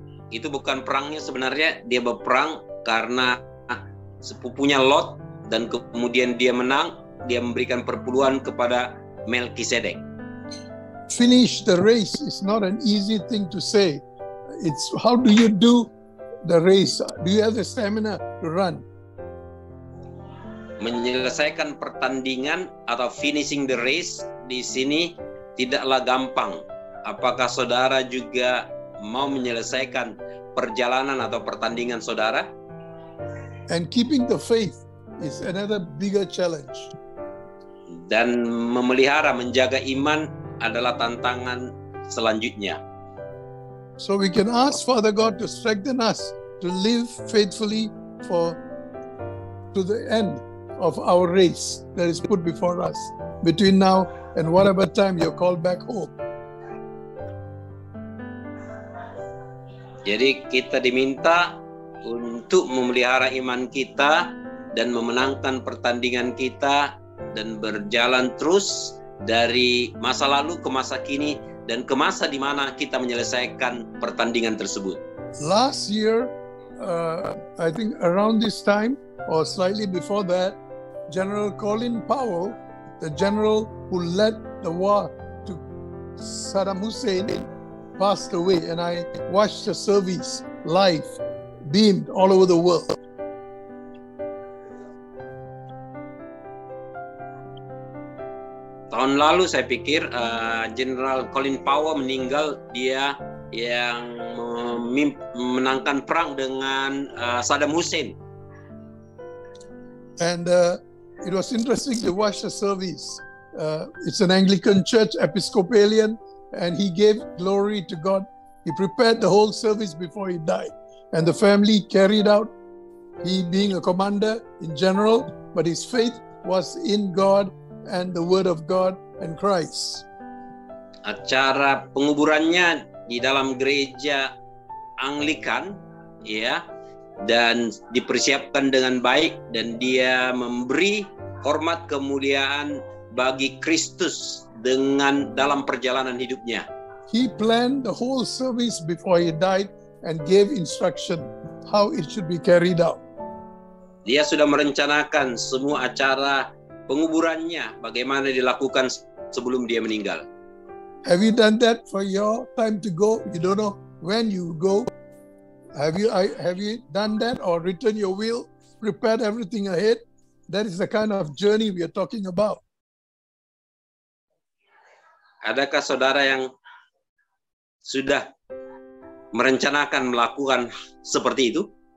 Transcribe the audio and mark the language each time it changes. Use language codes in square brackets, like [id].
[id] Itu bukan perangnya sebenarnya. Dia berperang karena sepupunya Lot, dan kemudian dia menang. Dia memberikan perpuluhan kepada Melkisedek. [en] Finish the race is not an easy thing to say. It's how do you do the race? Do you have the stamina to run? [id] Menyelesaikan pertandingan atau [en] finishing the race [id] di sini tidaklah gampang. Apakah saudara juga mau menyelesaikan perjalanan atau pertandingan saudara? [en] And keeping the faith is another bigger challenge. [id] Dan memelihara, menjaga iman adalah tantangan selanjutnya. [en] So we can ask Father God to strengthen us to live faithfully for to the end of our race that is put before us between now and whatever time you're called back home. [id] Jadi kita diminta untuk memelihara iman kita dan memenangkan pertandingan kita dan berjalan terus dari masa lalu ke masa kini dan ke masa di mana kita menyelesaikan pertandingan tersebut. [en] Last year, I think around this time or slightly before that, General Colin Powell, the general who led the war to Saddam Hussein, passed away, and I watched the service live, beamed all over the world. [id] Tahun tahun lalu saya pikir General Colin Powell meninggal, dia yang menangkan perang dengan Saddam Hussein. [en] And it was interesting to watch the service. It's an Anglican church, Episcopalian, and he gave glory to God. He prepared the whole service before he died. And the family carried out, he being a commander in general, but his faith was in God and the word of God and Christ. [id] Acara penguburannya di dalam gereja Anglikan, ya, dan dipersiapkan dengan baik, dan dia memberi hormat kemuliaan bagi Kristus dengan dalam perjalanan hidupnya. [en] He planned the whole service before he died and gave instruction how it should be carried out. [id] Dia sudah merencanakan semua acara penguburannya bagaimana dilakukan sebelum dia meninggal. [en] Have you done that for your time to go? You don't know when you go. Have you done that or written your will, prepared everything ahead? That is the kind of journey we are talking about. [id] Adakah saudara yang sudah merencanakan melakukan seperti itu?